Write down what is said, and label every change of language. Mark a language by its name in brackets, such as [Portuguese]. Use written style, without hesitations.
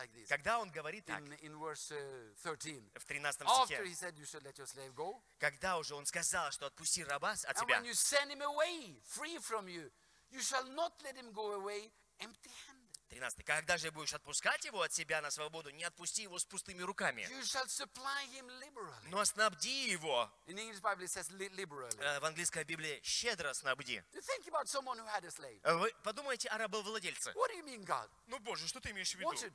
[Russian] Когда он говорит так, в 13 стихе, [English] after he said you should let your slave go, [Russian] когда уже он сказал, что отпусти раба от себя, [English] and when you send him away free from you, you shall not let him go away empty-handed. 13. [Russian] Когда же будешь отпускать его от себя на свободу, не отпусти его с пустыми руками. [English] You shall supply him liberally. [Russian] Но снабди его. [English] In English Bible it says liberally. [Russian] В английской Библии щедро снабди. [English] Think about someone who had a slave. [Russian] Вы подумайте о рабовладельце. [English] What do you mean, God? [Russian] Ну, Боже, что ты имеешь в виду?